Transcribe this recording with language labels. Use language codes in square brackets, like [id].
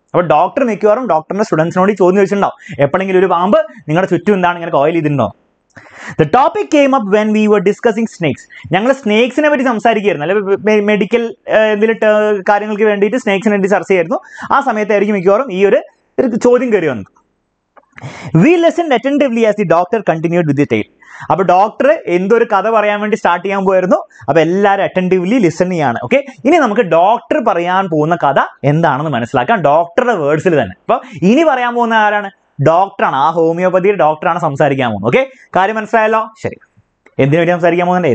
[ml] അപ്പൊ ഡോക്ടർ മിക്കവാറും ഡോക്ടറിന്റെ സ്റ്റുഡൻസിനോട് ചോദ്യം ചോദിച്ചിട്ടുണ്ടാവും, എപ്പോഴെങ്കിലും ഒരു പാമ്പ് നിങ്ങളുടെ ചുറ്റും എന്താണ് ഇങ്ങനെ കോയിൽ ചെയ്തിട്ടുണ്ടോ? [en] The topic came up when we were discussing snakes. [ml] ഞങ്ങൾ സ്നേക്സിനെ പറ്റി സംസാരിക്കുകയായിരുന്നു, അല്ലെ, മെഡിക്കൽ എന്തെങ്കിലും കാര്യങ്ങൾക്ക് വേണ്ടിയിട്ട് സ്നേക്സിനെ പറ്റി ചർച്ച ചെയ്യായിരുന്നു. ആ സമയത്തായിരിക്കും മിക്കവാറും ഈ ഒരു ചോദ്യം കയറി വന്നത്. [en] We listened attentively as the doctor continued with the tale. [ml] അപ്പൊ ഡോക്ടർ എന്തൊരു കഥ പറയാൻ വേണ്ടി സ്റ്റാർട്ട് ചെയ്യാൻ പോയിരുന്നു. അപ്പൊ എല്ലാവരും അറ്റൻറ്റീവ്ലി ലിസൺ ചെയ്യാണ്. ഓക്കെ, ഇനി നമുക്ക് ഡോക്ടർ പറയാൻ പോകുന്ന കഥ എന്താണെന്ന് മനസ്സിലാക്കാം, ഡോക്ടറുടെ വേർഡ്സിൽ തന്നെ. അപ്പൊ ഇനി പറയാൻ പോകുന്ന ആരാണ്? ഡോക്ടറാണ്, ആ ഹോമിയോപ്പതിയുടെ ഡോക്ടറാണ് സംസാരിക്കാൻ പോകുന്നത്. ഓക്കെ, കാര്യം മനസ്സിലായല്ലോ. ശരി, എന്തിനു വേണ്ടി സംസാരിക്കാൻ പോകുന്നത്?